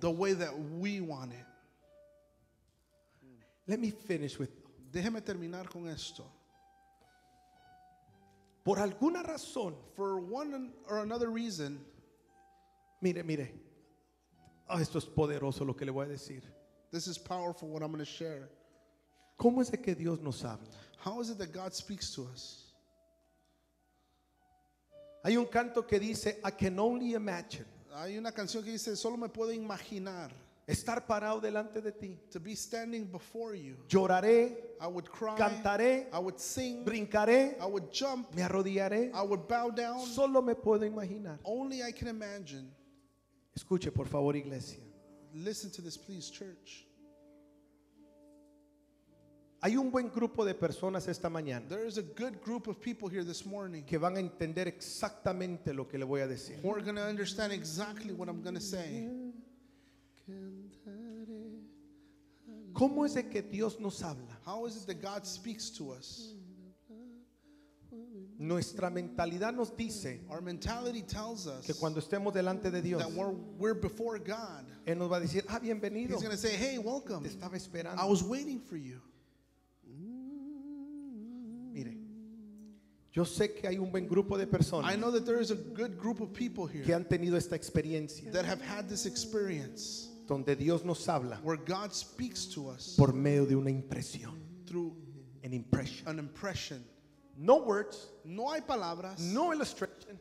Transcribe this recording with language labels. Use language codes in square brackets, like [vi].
[en] The way that we want it. Let me finish with. [es] Déjeme terminar con esto. Por alguna razón, [en] for one or another reason. [es] Mire. Oh, esto es poderoso lo que le voy a decir. [en] This is powerful what I'm going to share. [es] ¿Cómo es que Dios nos habla? [en] How is it that God speaks to us? [es] Hay un canto que dice, [en] I can only imagine. [es] Hay una canción que dice, solo me puedo imaginar. Estar parado delante de ti. [en] To be standing before you. [es] Lloraré. [en] I would cry. [es] Cantaré. [en] I would sing. [es] Brincaré. [en] I would jump. [es] Me arrodillaré. [en] I would bow down. [es] Solo me puedo imaginar. [en] Only I can imagine. [es] Escuche, por favor, iglesia. [en] Listen to this, please, church. [es] Hay un buen grupo de personas esta mañana. [en] There is a good group of people here this morning. [es] Que van a entender exactamente lo que le voy a decir. [en] Who are going to understand exactly what I'm going to say. [es] ¿Cómo es que Dios nos habla? [en] How is it that God speaks to us? [es] Nuestra mentalidad nos dice, [en] our mentality tells us, [es] que cuando estemos delante de Dios, [en] that we're before God, [es] Él nos va a decir, ah, bienvenido. [en] He's going to say, hey, welcome. [es] Te estaba esperando. [en] I was waiting for you. [es] Mire, yo sé que hay un buen grupo de personas, [en] I know that there is a good group of people here, [es] que han tenido esta experiencia, [en] that have had this experience, [es] donde Dios nos habla, [en] where God speaks to us, [es] por medio de una impresión, [en] through an impression. No words, [es] no hay palabras, [en] no illustration,